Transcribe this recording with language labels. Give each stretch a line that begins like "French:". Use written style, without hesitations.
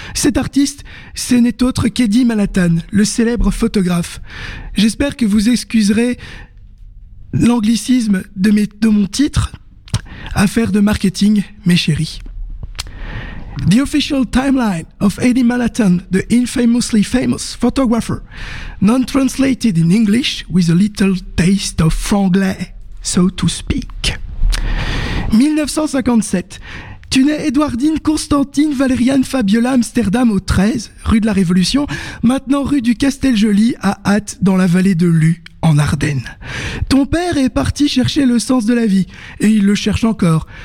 French: Cet artiste, ce n'est autre qu'Eddie Manhattan, le célèbre photographe. J'espère que vous excuserez l'anglicisme de mon titre, affaire de marketing, mes chéris.
English: The official timeline of Eddie Manhattan, the infamously famous photographer, non-translated in English with a little taste of franglais, so to speak.
French: 1957, tu nais Edwardine Constantine Valériane Fabiola Amsterdam au 13, rue de la Révolution, maintenant rue du Casteljoli à Hatt dans la vallée de Lu, en Ardennes. Ton père est parti chercher le sens de la vie, et il le cherche encore.